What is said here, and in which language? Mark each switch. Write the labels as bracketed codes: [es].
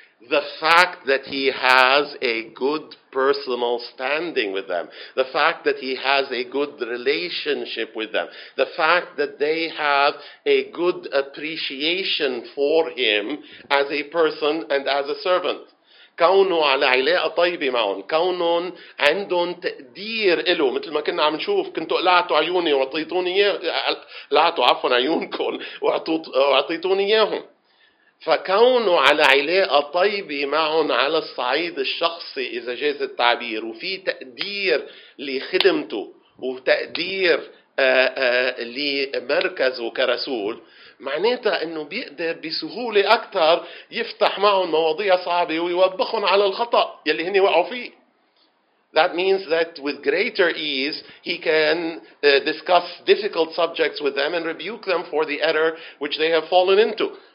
[en] The fact that he has a good personal standing with them. The fact that he has a good relationship with them. The fact that they have a good appreciation for him as a person and as a servant. [ar] كونه على علاقة طيبة معهم, كونهم عندهم تقدير له, مثل ما كنا عم نشوف كنتوا قلعتوا عيوني وعطيتوني قلعتوا عفوا عيونكم وعطيتوني إياهم. فكونه على علاقة طيبة معهم على الصعيد الشخصي إذا جاز التعبير, وفي تقدير لخدمته وتقدير لمركزه كرسول, معناتها انه بيقدر بسهولة اكتر يفتح معهم مواضيع صعبة ويوبخهم على الخطأ يلي هني وقعوا فيه. [en] That means that with greater ease he can discuss difficult subjects with them and rebuke them for the error which they have fallen into.